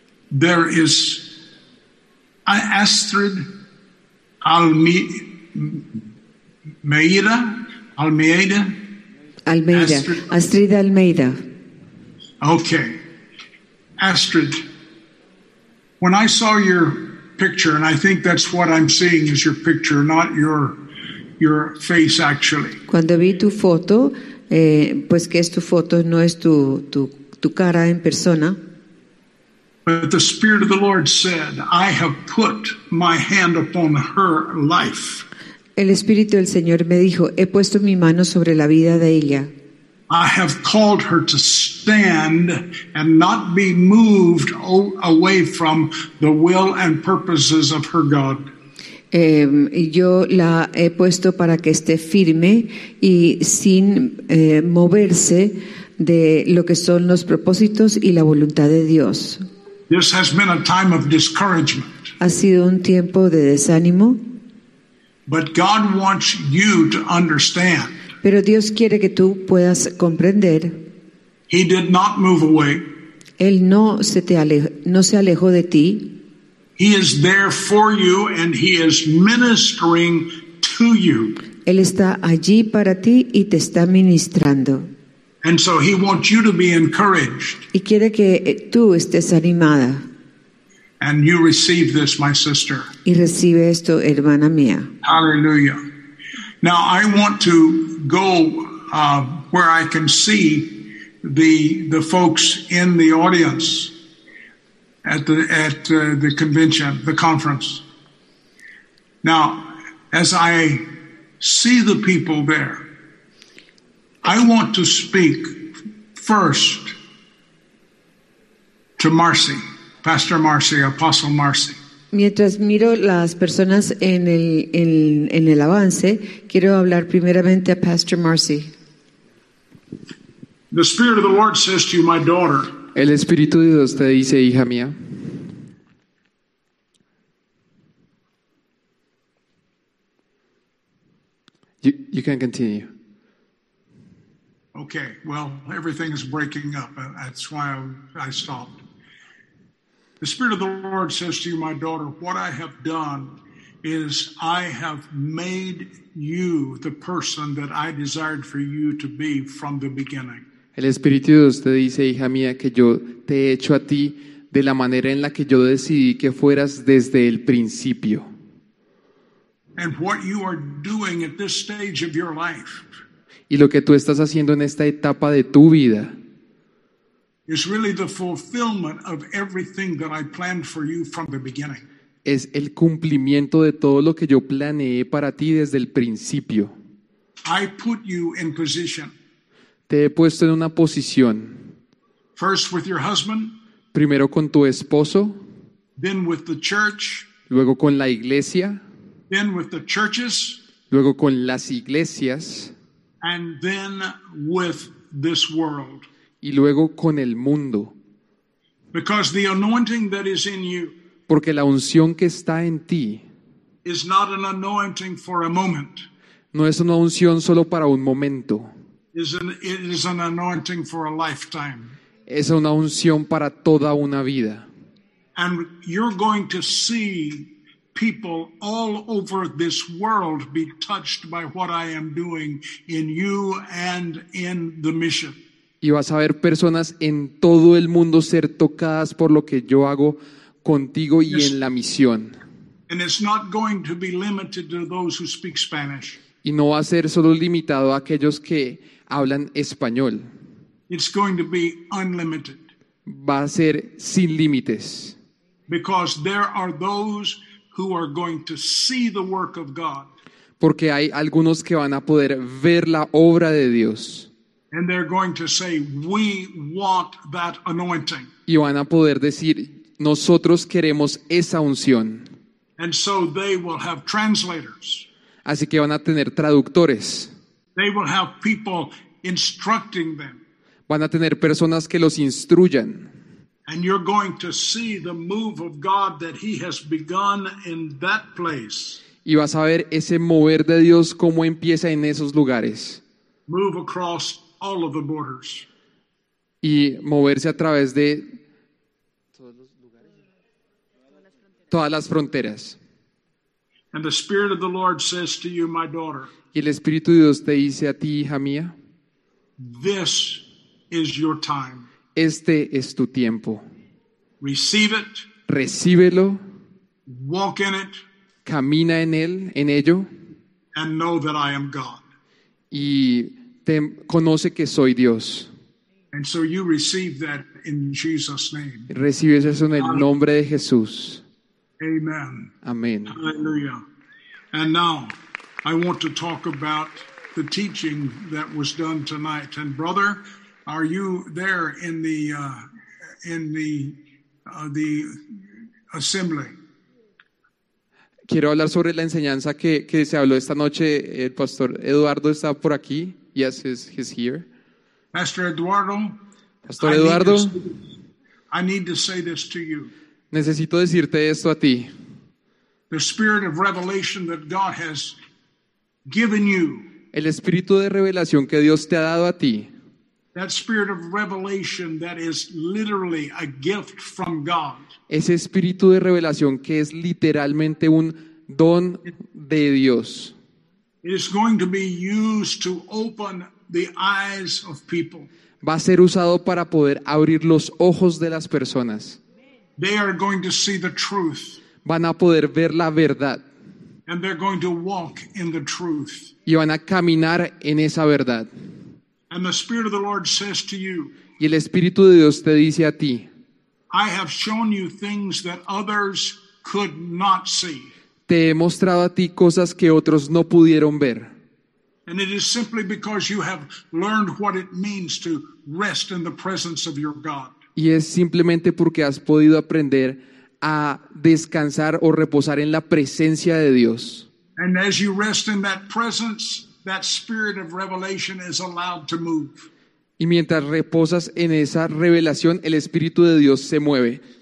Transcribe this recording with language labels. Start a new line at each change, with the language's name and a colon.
English: There is Astrid Almeida. Okay. Astrid, when I saw your picture, and I think that's what I'm seeing is your picture, not your face actually.
Spanish: Cuando vi tu foto, pues que es tu foto, no es tu cara en persona.
English: But the Spirit of the Lord said, I have put my hand upon her life.
Spanish: El Espíritu del Señor me dijo, he puesto mi mano sobre la vida de ella.
English: I have called her to stand and not be moved away from the will and purposes of her God.
Spanish: Yo la he puesto para que esté firme y sin moverse de lo que son los propósitos y la voluntad de Dios.
English: This has been a time of discouragement.
Spanish: Ha sido un tiempo de desánimo.
English: But God wants you to understand.
Spanish: Pero Dios quiere que tú puedas comprender.
English: He did not move away.
Spanish: Él no se alejó de ti.
English: He is there for you and he is ministering to you.
Spanish: Él está allí para ti y te está ministrando.
English: And so he wants you to be encouraged.
Spanish: Y quiere que tú estés animada.
English: And you receive this, my sister.
Spanish: Y recibe esto, hermana mía.
English: Hallelujah. Now I want to go where I can see the folks in the audience at the convention, the conference. Now, as I see the people there, I want to speak first to Marcy, Pastor Marcy, Apostle Marcy.
Spanish: Mientras miro las personas en el avance, quiero hablar primeramente a Pastor Marcy.
English: The Spirit of the Lord says to you, my daughter.
Spanish: El Espíritu de Dios te dice, hija mía.
English: You can continue. Okay, well, everything is breaking up. That's why I stopped. The Spirit of the Lord says to you, my daughter, what I have done is I have made you the person that I desired for you to be from the beginning.
Spanish: El Espíritu de Dios te dice, hija mía, que yo te he hecho a ti de la manera en la que yo decidí que fueras desde el principio.
English: And what you are doing at this stage of your life.
Spanish: y lo que tú estás haciendo en esta etapa de tu vida.
English: Is really the fulfillment of everything that I planned for you from the beginning.
Spanish: Es el cumplimiento de todo lo que yo planeé para ti desde el principio.
English: I put you in position.
Spanish: Te he puesto en una posición.
English: First with your husband.
Spanish: Primero con tu esposo.
English: Then with the church.
Spanish: Luego con la iglesia.
English: Then with the churches.
Spanish: Luego con las iglesias.
English: And then with this world.
Spanish: Y luego con el mundo.
English: Because the anointing that is in you.
Spanish: Porque la unción que está en ti
English: is not an anointing for a moment.
Spanish: No es una unción solo para un momento.
English: It is an anointing for a lifetime.
Spanish: Es una unción para toda una vida.
English: And you're going to see people all over this world be touched by what I am doing in you and in the mission.
Spanish: Y vas a ver personas en todo el mundo ser tocadas por lo que yo hago contigo y en la misión.
English: And it's not going to be limited to those who speak Spanish.
Spanish: Y no va a ser solo limitado a aquellos que hablan español.
English: It's going to be unlimited.
Spanish: Va a ser sin límites.
English: Because there are those who are going to see the work of God.
Spanish: Porque hay algunos que van a poder ver la obra de Dios.
English: And they're going to say, we want that anointing.
Spanish: Y van a poder decir, nosotros queremos esa unción.
English: And so they will have translators.
Spanish: Así que van a tener traductores.
English: They will have people instructing them.
Spanish: Van a tener personas que los instruyan.
English: And you're going to see the move of God that he has begun in that place.
Spanish: Y vas a ver ese mover de Dios cómo empieza en esos lugares.
English: Move across all of the borders.
Spanish: Y moverse a través de todas las fronteras.
English: And the Spirit of the Lord says to you, my daughter.
Spanish: Y el Espíritu de Dios te dice a ti, hija mía.
English: This is your time.
Spanish: Este es tu tiempo.
English: Receive it.
Spanish: Recíbelo.
English: Walk in it.
Spanish: Camina en él, en ello.
English: And know that I am God.
Spanish: Y te conoce que soy Dios.
English: And so you receive that in Jesus' name.
Spanish: Recibes eso en el nombre de Jesús.
English: Amen. Amen. Hallelujah. And now I want to talk about the teaching that was done tonight. And brother, are you there in the assembly?
Spanish: Quiero hablar sobre la enseñanza que se habló esta noche. El pastor Eduardo está por aquí.
English: Yes, he's here.
Spanish: Pastor Eduardo. Pastor Eduardo.
English: I need to say this to you.
Spanish: Necesito decirte esto a ti.
English: The spirit of revelation that God has given you.
Spanish: El espíritu de revelación que Dios te ha dado a ti.
English: That spirit of revelation that is literally a gift from God.
Spanish: Ese espíritu de revelación que es literalmente un don de Dios.
English: It is going to be used to open the eyes of people.
Spanish: Va a ser usado para poder abrir los ojos de las personas.
English: They are going to see the truth.
Spanish: Van a poder ver la verdad.
English: And they're going to walk in the truth.
Spanish: Y van a caminar en esa verdad.
English: And the Spirit of the Lord says to you.
Spanish: Y el Espíritu de Dios te dice a ti.
English: I have shown you things that others could not see.
Spanish: Te he mostrado a ti cosas que otros no pudieron ver.
English: And it is simply because you have learned what it means to rest in the presence of your God.
Spanish: Y es simplemente porque has podido aprender a descansar o reposar en la presencia de Dios.
English: And as you rest in that presence, that spirit of revelation is allowed to move.
Spanish: Y mientras reposas en esa revelación, el Espíritu de Dios se mueve.